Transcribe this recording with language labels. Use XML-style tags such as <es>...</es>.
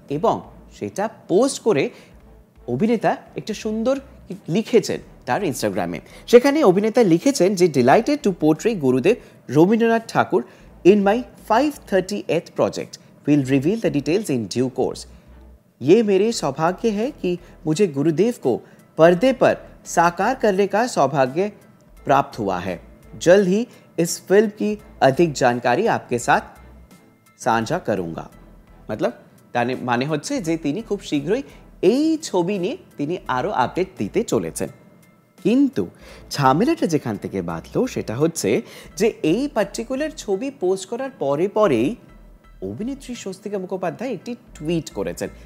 <bn>এবং সেটা পোস্ট করে অভিনেতা একটা সুন্দর লিখেছেন তার ইনস্টাগ্রামে। সেখানে অভিনেতা লিখেছেন যে</bn> <en>Delighted to portray Gurudev Rabindranath Thakur in my 538 project, will reveal the details in due course.</en> <hi>ये मेरे सौभाग्य है कि मुझे गुरुदेव को पर्दे पर साकार करने का सौभाग्य प्राप्त हुआ है। जल्द ही इस फिल्म की अधिक जानकारी आपके साथ साझा करूंगा। मतलब माने</hi> <bn>হচ্ছে যে তিনি খুব শীঘ্রই এই ছবি নিয়ে তিনি আরো আপডেট দিতে চলেছেন। কিন্তু ঝামেলাটা যেখান থেকে বাঁধলো সেটা হচ্ছে যে এই পার্টিকুলার ছবি পোস্ট করার পরে পরেই অভিনেত্রী স্বস্তিকা মুখোপাধ্যায় একটি টুইট করেছেন।</bn>